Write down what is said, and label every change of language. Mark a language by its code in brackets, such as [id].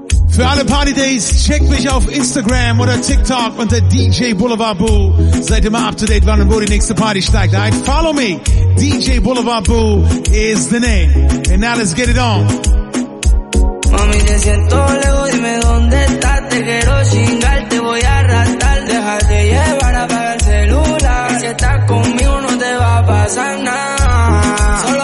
[de] Für alle Party Days, check mich auf Instagram oder TikTok unter DJ Boulevard Boo. Seid immer up to date, wann und wo die nächste Party steigt. [en] Right? Follow me. DJ Boulevard Boo is the name. And now let's get it on. [es] Mami, te siento lejos, dime dónde estás. Te quiero chingar, te voy a arrastrar. Déjate llevar a apagar el celular. Si estás conmigo, no te va a pasar nada.